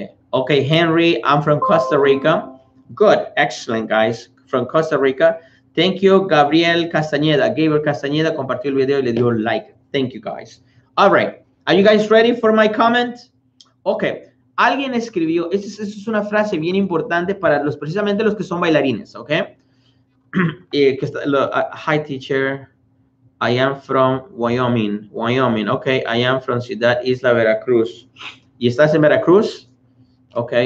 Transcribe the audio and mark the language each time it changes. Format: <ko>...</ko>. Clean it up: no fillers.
<en>Okay, Henry, I'm from Costa Rica. Good. Excellent, guys. From Costa Rica. Thank you, Gabriel Castañeda.</en> <es>Gabriel Castañeda compartió el video y le dio like.</es> <en>Thank you, guys. All right. Are you guys ready for my comment? Okay.</en> <es>Alguien escribió, esto es una frase bien importante para los, precisamente los que son bailarines, ¿ok?</es> <en>Hi, teacher. I am from Wyoming. Wyoming, ok. I am from Ciudad Isla Veracruz.</en> <es>¿Y estás en Veracruz?</es> <en>Ok.</en>